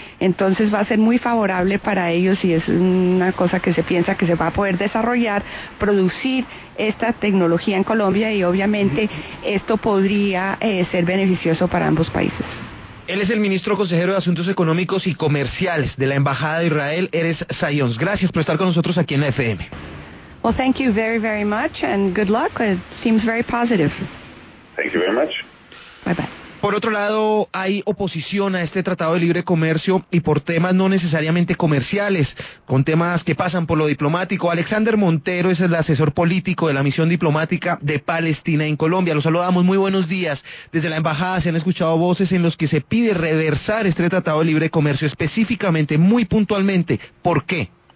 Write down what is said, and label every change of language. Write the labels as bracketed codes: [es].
[es] Entonces va a ser muy favorable para ellos y es una cosa que se piensa que se va a poder desarrollar, producir esta tecnología en Colombia y obviamente esto podría ser beneficioso para ambos países. Él es el ministro consejero de Asuntos Económicos y Comerciales de la Embajada de Israel, Erez Zayons. Gracias por estar con nosotros aquí en la FM. [en] Well, thank you very, very much, and good luck. It seems very positive. Thank you very much. Bye-bye. [es] Por otro lado, hay oposición a este Tratado de Libre Comercio y por temas no necesariamente comerciales, con temas que pasan por lo diplomático. Alexander Montero es el asesor político de la misión diplomática de Palestina en Colombia. Lo saludamos, muy buenos días. Desde la embajada se han escuchado voces en los que se pide reversar este Tratado de Libre Comercio, específicamente, muy puntualmente, ¿por qué?